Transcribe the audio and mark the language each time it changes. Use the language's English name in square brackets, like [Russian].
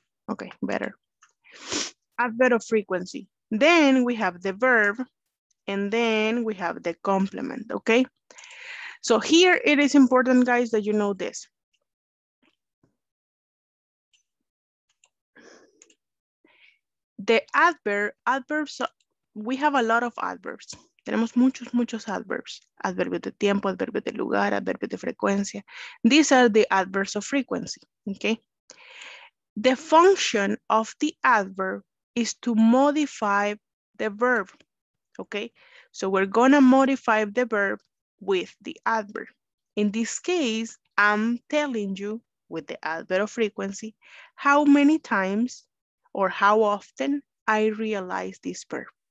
[English] Okay, better. Adverb of frequency. Then we have the verb, and then we have the complement, okay? So here it is important, guys, that you know this. The adverbs, we have a lot of adverbs. [Spanish] Tenemos muchos, muchos adverbs. Adverbios de tiempo, adverbios de lugar, adverbios de frecuencia. [English] These are the adverbs of frequency, okay? The function of the adverb is to modify the verb, okay? So we're gonna modify the verb with the adverb. In this case, I'm telling you with the adverb of frequency, how many times or how often I realize this verb.